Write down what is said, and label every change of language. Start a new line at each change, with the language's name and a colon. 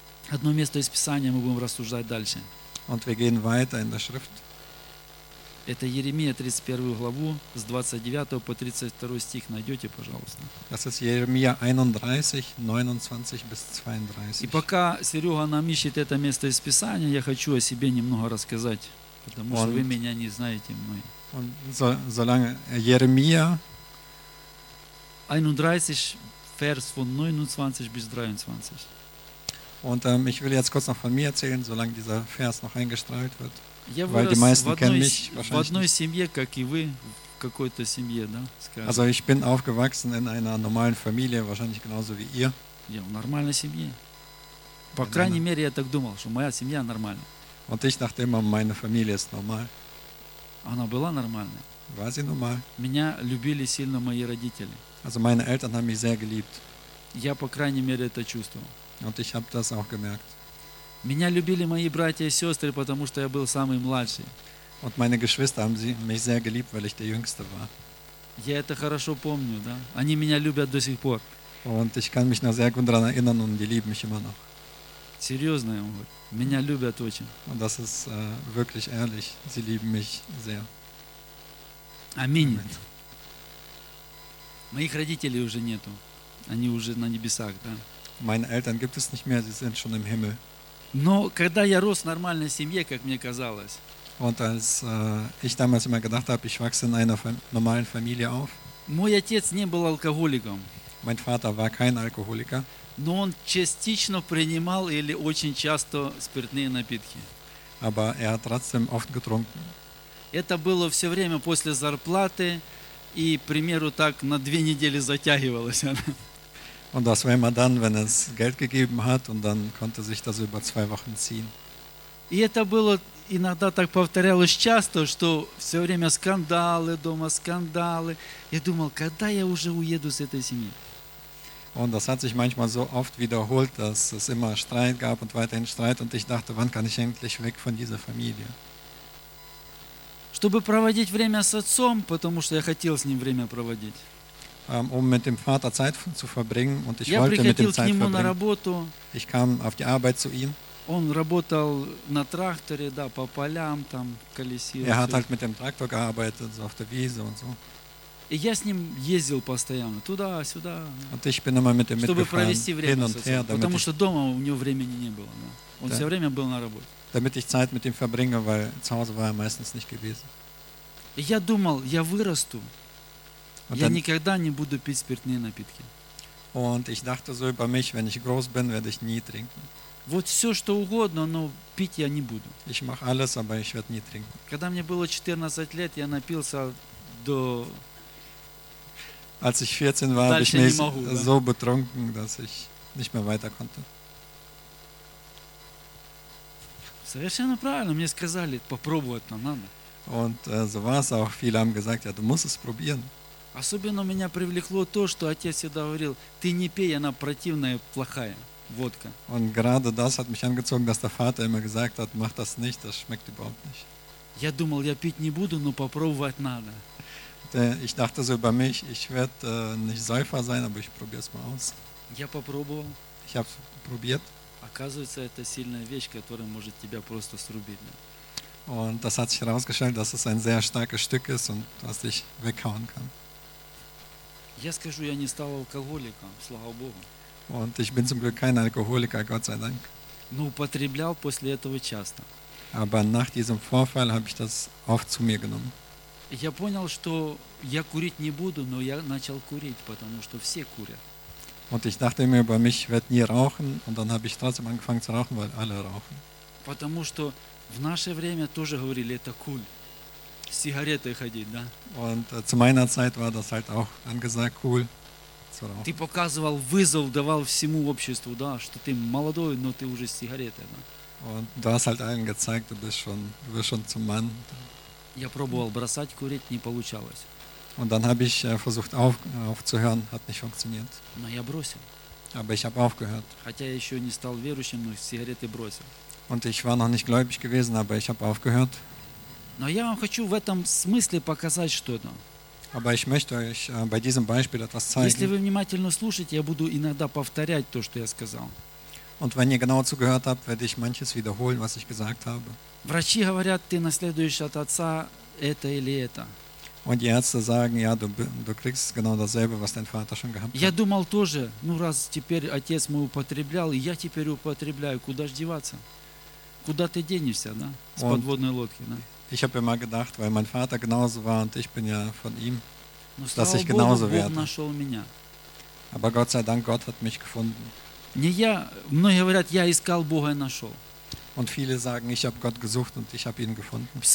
Russian: Одно место из Писания, мы будем рассуждать дальше.
German: Und wir gehen weiter in der Schrift.
Russian: Это Иеремия, 31 главу, с 29 по 32 стих найдете, пожалуйста.
German: Das ist Jeremia 31, 29 bis 32.
Russian: И пока Серега нам ищет это место из Писания, я хочу о себе немного рассказать, потому что вы меня не знаете. Мой.
German: Und solange Jeremia 31 Vers von 29 bis 23. Und ich will jetzt kurz noch von mir erzählen, solange dieser Vers noch eingestrahlt wird.
Russian: Я
German: weil die meisten kennen mich wahrscheinlich
Russian: в одной семье, как и вы, какой-то семье, да, скажем.
German: Also ich bin aufgewachsen in einer normalen Familie, wahrscheinlich genauso wie ihr.
Russian: Я в нормальной семье. По крайней мере, я так думал, что моя семья нормальная.
German: Und ich dachte immer, meine Familie ist normal.
Russian: Она была нормальной.
German: War sie normal?
Russian: Меня любили сильно мои родители.
German: Also meine Eltern haben mich sehr geliebt.
Russian: Я по крайней мере это чувствовал.
German: Und ich habe das auch gemerkt.
Russian: Меня любили мои братья и сестры, потому что я был самый младший.
German: Und meine Geschwister haben mich sehr geliebt, weil ich der Jüngste war.
Russian: Я это хорошо помню, да? Они меня любят до сих пор.
German: Und ich kann mich noch sehr gut daran erinnern und die lieben mich immer noch.
Russian: Серьезно, я говорю, меня любят очень.
German: Und das ist wirklich ehrlich, sie lieben mich sehr.
Russian: Аминь. Amen. Моих родителей уже нету, они уже на небесах, да?
German: Meine Eltern gibt es nicht mehr, sie sind schon im Himmel.
Russian: Но когда я рос в нормальной семье, как мне казалось.
German: Und als ich damals immer gedacht habe, ich wachse in einer normalen Familie auf.
Russian: Мой отец не был алкоголиком.
German: Mein Vater war kein Alkoholiker.
Russian: Но он частично принимал или очень часто спиртные напитки.
German: Aber hat trotzdem oft getrunken.
Russian: Это было все время после зарплаты и, к примеру, так на две недели затягивалось.
German: Und das war immer dann, wenn es Geld gegeben hat und dann konnte sich das über zwei Wochen ziehen.
Russian: И это было иногда так повторялось часто, что все время скандалы дома, скандалы. Я думал, когда я уже уеду с этой семьи?
German: Und das hat sich manchmal so oft wiederholt, dass es immer Streit gab und weiterhin Streit und ich dachte, wann kann ich endlich weg von dieser Familie?
Russian: Чтобы проводить время с отцом, потому что я хотел с ним время проводить.
German: Um mit dem Vater Zeit zu verbringen und ich wollte mit dem Zeit verbringen.
Russian: Работу,
German: ich kam auf die Arbeit zu ihm.
Russian: Он работал на тракторе, да, по полям там колесил.
German: Er hat halt mit dem Traktor gearbeitet, so auf der Wiese und so.
Russian: И я с ним ездил постоянно туда-сюда.
German: Und ich bin immer mit ihm mitgefahren.
Russian: Чтобы провести время с отцом, потому что дома у него времени не было. Да. Он все время был на работе.
German: Damit ich Zeit mit ihm verbringe, weil zu Hause war er meistens nicht gewesen.
Russian: И я думал, я вырасту. Я никогда не буду пить спиртные напитки.
German: Und ich dachte so über mich, wenn ich groß bin, werde ich nie trinken.
Russian: Вот все, что угодно, но пить я не буду.
German: Ich mache alles, aber ich werde nie trinken.
Russian: Когда мне было 14 лет, я напился до...
German: Als ich 14 war, habe ich mich so betrunken, dass ich nicht mehr weiter konnte.
Russian: Совершенно правильно, мне сказали, попробовать надо.
German: Und so war es auch, viele haben gesagt, ja, du musst es probieren.
Russian: Особенно меня привлекло то, что отец всегда говорил: "Ты не пей, она противная, плохая водка".
German: Und gerade das hat mich angezogen, dass der Vater immer gesagt hat: "Mach das nicht, das schmeckt überhaupt nicht".
Russian: Я думал, я пить не буду, но попробовать надо.
German: Ich dachte so über mich: Ich werde nicht Säufer sein, aber ich probiere es mal aus.
Russian: Я попробовал.
German: Ich habe es probiert.
Russian: Оказывается, это сильная вещь, которая может тебя просто срубить.
German: Und das hat sich herausgestellt, dass es ein sehr starkes Stück ist und was dich weghauen kann.
Russian: Я скажу, я не стал алкоголиком, слава Богу.
German: Und ich bin zum Glück kein Alkoholiker, Gott sei Dank.
Russian: Но употреблял после этого часто.
German: Aber nach diesem Vorfall habe ich das oft zu mir genommen.
Russian: Я понял, что я курить не буду, но я начал курить, потому что все курят.
German: Und ich dachte immer über mich, ich werde nie rauchen, und dann habe ich trotzdem angefangen zu rauchen, weil alle rauchen.
Russian: Потому что в наше время тоже говорили, это cool. Сигареты ходить, да?
German: Und zu meiner Zeit war das halt auch angesagt, cool zu rauchen.
Russian: Ты показывал вызов, давал всему обществу, да, что ты молодой, но ты уже с сигаретой, да?
German: Und du hast halt allen gezeigt, du bist schon zum Mann.
Russian: Я пробовал бросать курить, не получалось.
German: Und dann habe ich versucht aufzuhören, hat nicht funktioniert.
Russian: Но я бросил.
German: Aber ich habe aufgehört.
Russian: Хотя я еще не стал верующим, но сигареты бросил.
German: Und ich war noch nicht gläubig gewesen, aber ich habe aufgehört.
Russian: Но я вам хочу в этом смысле показать что-то.
German: Aber ich möchte euch bei diesem Beispiel etwas zeigen.
Russian: Если вы внимательно слушаете, я буду иногда повторять то, что я сказал.
German: Und wenn ihr genau zugehört habt, werde ich manches wiederholen, was ich gesagt habe.
Russian: Врачи говорят, ты наследуешь от отца это или это.
German: Und die Ärzte sagen, ja, du kriegst genau dasselbe, was dein Vater schon gehabt hat.
Russian: Я думал тоже, ну раз теперь отец мой употреблял, я теперь употребляю, куда ж деваться? Куда ты денешься, да? С подводной лодки, да?
German: Ich habe immer gedacht, weil mein Vater genauso war und ich bin ja von ihm, dass ich genauso werde. Aber Gott sei Dank, Gott hat mich gefunden. Und viele sagen, ich habe Gott gesucht und ich habe ihn gefunden.